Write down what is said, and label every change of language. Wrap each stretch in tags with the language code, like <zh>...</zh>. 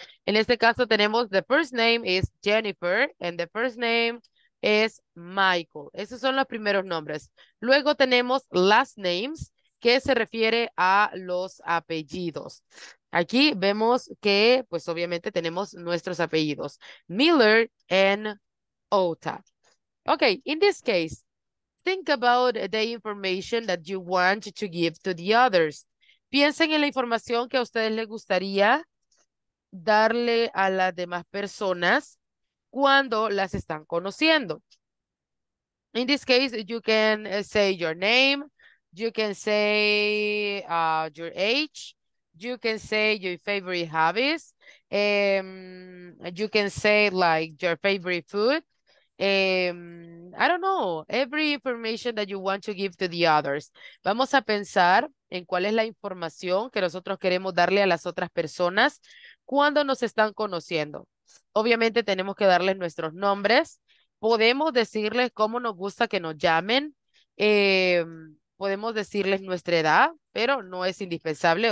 <es>En este caso tenemos,</es> <en>the first name is Jennifer, and the first name is Michael.</en> <es>Esos son los primeros nombres. Luego tenemos last names, que se refiere a los apellidos. Aquí vemos que, pues obviamente tenemos nuestros apellidos.</es> <en>Miller and Ota. Okay, in this case, think about the information that you want to give to the others.</en> <es>Piensen en la información que a ustedes les gustaría darle a las demás personas cuando las están conociendo.</es> <en>In this case, you can say your name, you can say your age, you can say your favorite hobbies, you can say like your favorite food. I don't know, every information that you want to give to the others.</en> <es>Vamos a pensar en cuál es la información que nosotros queremos darle a las otras personas cuando nos están conociendo. Obviamente tenemos que darles nuestros nombres. Podemos decirles cómo nos gusta que nos llamen. Podemos decirles nuestra edad, pero no es indispensable.</es>